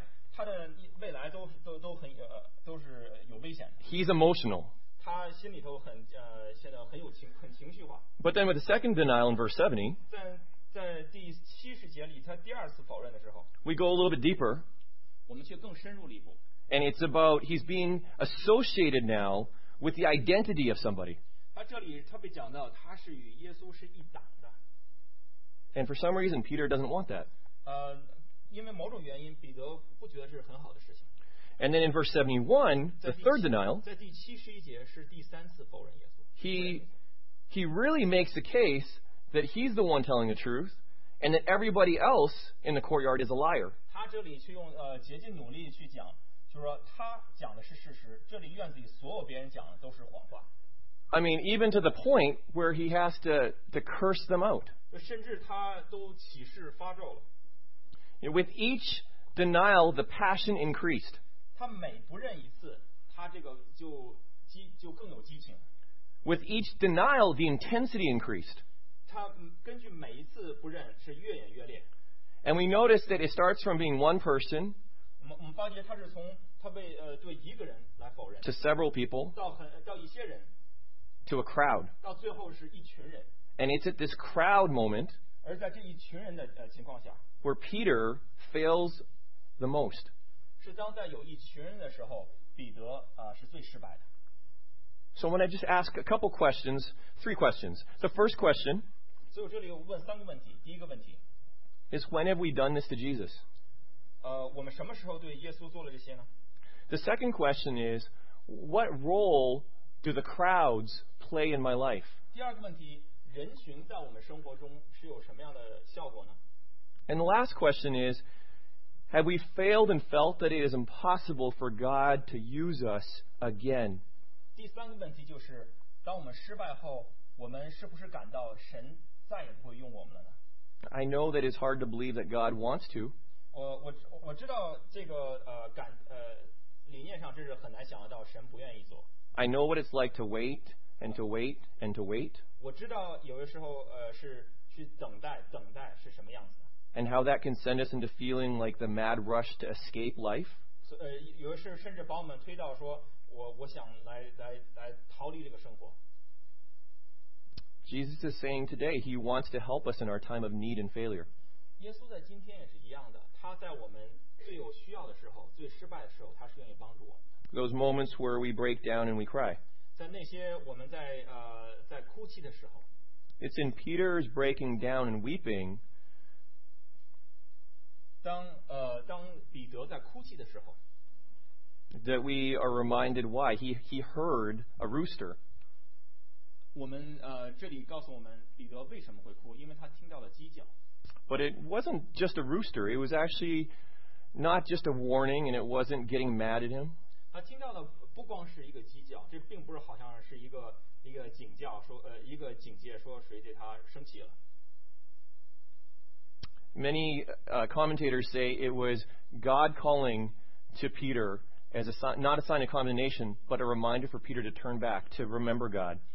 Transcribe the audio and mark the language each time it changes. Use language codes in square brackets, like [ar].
[zh] 他的未来都是有危险的。 [en] He's emotional. [zh] 他心里头很现在很情绪化。 [en] But then with the second denial in verse 70, [zh] 在第七十节里，他第二次否认的时候 [en] ，we go a little bit deeper. [zh] 我们却更深入了一步。 [en] And it's about he's being associated now with the identity of somebody. [zh] 他这里特别讲到他是与耶稣是一党的。 [en] And for some reason, Peter doesn't want that. [zh] 因为某种原因，彼得不觉得这是很好的事情。 [en] And then in verse 71, the third denial. [zh] 在第七十一节是第三次否认耶稣。 [en] He really makes the case that he's the one telling the truth, and that everybody else in the courtyard is a liar. [zh] 他这里去用竭尽努力去讲。就是说他讲的是事实，这里院子里所有别人讲的都是谎话。 [en] I mean, even to the point where he has to curse them out. [zh] 甚至他都起誓发咒了。 [en] With each denial, the passion increased. [zh] 他每不认一次，他这个就更有激情。 [en] With each denial, the intensity increased. [zh] 他根据每一次不认是越演越烈。 [en] And we notice that it starts from being one person [zh] 我们发觉他是从他被对一个人来否认 [en] to several people [zh] 到一些人 [en] to a crowd [zh] 到最后是一群人 [en] and it's at this crowd moment [zh] 而在这一群人的情况下 [en] where Peter fails the most [zh] 是当在有一群人的时候彼得是最失败的 [en] so when I just ask a couple questions three questions the first question [zh] 所以我这里问三个问题第一个问题 [en] is when have we done this to Jesus? [zh] 我们什么时候对耶稣做了这些呢 [en] ？The second question is, what role do the crowds play in my life？ [zh] 第二个问题，人群在我们生活中是有什么样的效果呢 [en] ？And the last question is, have we failed and felt that it is impossible for God to use us again？ [zh] 第三个问题就是，当我们失败后，我们是不是感到神再也不会用我们了呢？ [en] I know that it's hard to believe that God wants to. [zh] 我知道这个理念上这是很难想得到神不愿意做。 [en] I know what it's like to wait and to wait and to wait. [zh] 我知道有的时候是去等待，等待是什么样子的。 [en] And how that can send us into feeling like the mad rush to escape life. [zh] 有的时候甚至把我们推到说我想来逃离这个生活。 [en] Jesus is saying today he wants to help us in our time of need and failure. [zh] 耶稣在今天也是一样的，他在我们最有需要的时候，最失败的时候，他是愿意帮助我们。 [en] Those moments where we break down and we cry. [zh] 在那些我们在哭泣的时候。 [en] It's in Peter's breaking down and weeping. [zh] 当彼得在哭泣的时候。 [en] That we are reminded why he heard a rooster. [zh] 我们这里告诉我们彼得为什么会哭，因为他听到了鸡叫。 [en] But it wasn't just a rooster. It was actually not just a warning, and it wasn't getting mad at him. [zh] 他听到的不光是一个鸡叫，这并不是好像是一个警叫，说一个警戒，说谁对他生气了。 [en] Many commentators say it was God calling to Peter as a sign, not a sign of condemnation, but a reminder for Peter to turn back to remember God.